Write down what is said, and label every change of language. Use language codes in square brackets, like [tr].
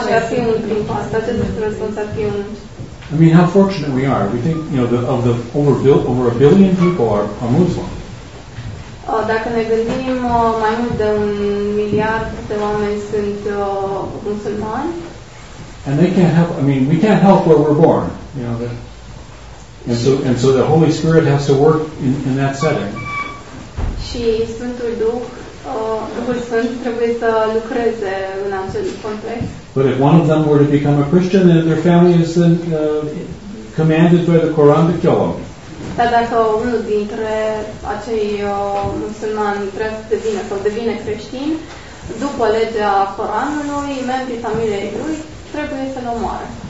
[en] I mean, how fortunate we are. We think, you know, over a billion people are Muslim. [ro] Dacă ne gândim, mai mult de un miliard de oameni sunt musulmani. [en] And they can't help, I mean, we can't help where we're born, you know. And so the Holy Spirit has to work in that setting. [ro] Și Sfântul Duh Duhul Sfânt trebuie să lucreze în acel context. [en] But if one of them were to become a Christian, then their family is then commanded by the Quran to kill them. [ro] Dar dacă unul dintre acei musulmani trebuie să devină sau devine creștin, după legea Coranului, membrii familiei lui trebuie să-l omoare.